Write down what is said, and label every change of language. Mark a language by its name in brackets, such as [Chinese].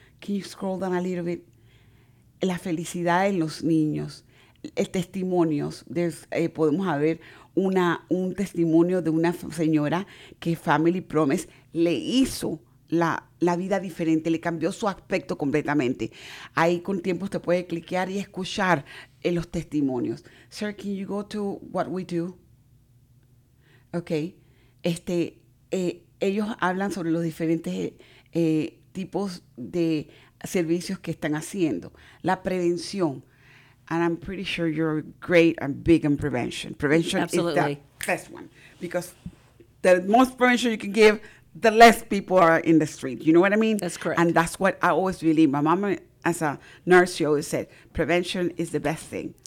[English] Can you scroll down a little bit? [Spanish] La felicidad en los niños, testimonios. Podemos ver un testimonio de una señora que Family Promise le hizo la vida diferente, le cambió su aspecto completamente. Ahí con tiempo usted puede cliquear y escuchar en los testimonios. [English] Sir, can you go to what we do? Okay. [Spanish] Ellos hablan sobre los diferentes tipos de servicios que están haciendo. La prevención. [English] And I'm pretty sure you're great and big in prevention. Prevention Absolutely. Is the best one. Because the most prevention you can give, the less people are in the street. You know what I mean? That's correct. And that's what I always believe. My mama, as a nurse, she always said, prevention is the best thing.